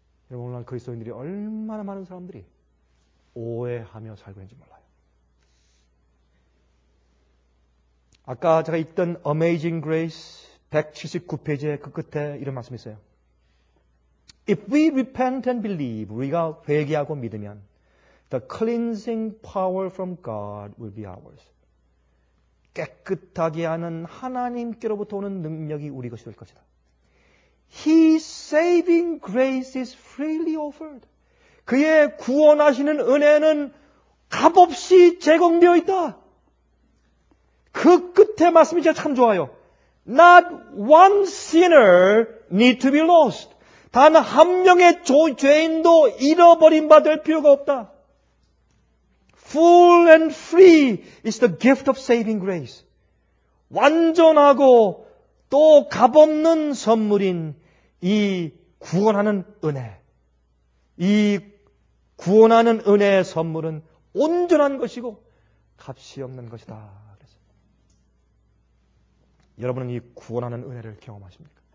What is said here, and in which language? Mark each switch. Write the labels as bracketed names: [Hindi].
[Korean] 여러분, 오늘날 그리스도인들이 얼마나 많은 사람들이 오해하며 살고 있는지 몰라요. 아까 제가 읽던 Amazing Grace 179페이지의 그 끝에 이런 말씀이 있어요. [English] If we repent and believe, [Korean] 우리가 회개하고 믿으면 [English] the cleansing power from God will be ours. [Korean] 깨끗하게 하는 하나님께로부터 오는 능력이 우리 것이 될 것이다. [English] His saving grace is freely offered. [Korean] 그의 구원하시는 은혜는 값없이 제공되어 있다. 그 끝에 말씀이 제가 참 좋아요. [English] Not one sinner need to be lost. [Korean] 단 한 명의 죄인도 잃어버린 바 될 필요가 없다. [English] Full and free is the gift of saving grace. [Korean] 완전하고 또 값없는 선물인 이 구원하는 은혜. 이 구원하는 은혜의 선물은 온전한 것이고 값이 없는 것이다. 그래서 여러분은 이 구원하는 은혜를 경험하십니까?